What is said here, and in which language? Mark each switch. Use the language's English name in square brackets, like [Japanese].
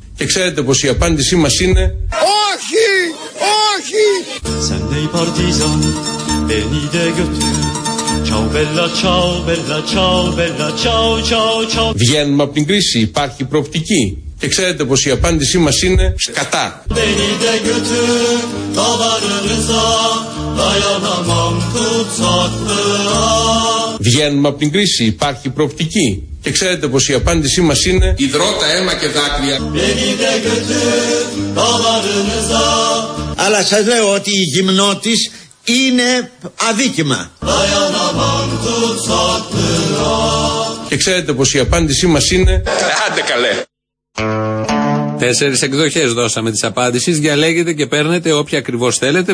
[Greek] Και ξέρετε πως η απάντησή μας είναι. Όχι! Όχι! [Turkish] Beni de götür. [Italian] Ciao bella ciao bella ciao bella ciao ciao ciao. [Greek] Βγαίνουμε από την κρίση, υπάρχει προοπτική. Και ξέρετε πως η απάντησή μας είναι σκατά. [Turkish] Beni de götür dağlarınıza, dayanamam tutsaklığa. [Greek] Βγαίνουμε από την κρίση, υπάρχει προοπτική. Και ξέρετε πως η απάντησή μας είναι υδρότα, αίμα και δάκρυα. [Turkish] Beni de götür dağlarınıza. [Greek] Αλλά σας λέω ότι η γυμνώτης είναι αδίκημα. Και ξέρετε πως η απάντησή μας είναι άντε καλέ. Τέσσερις εκδοχές δώσαμε της απάντησης. Διαλέγετε και παίρνετε όποια ακριβώς θέλετε.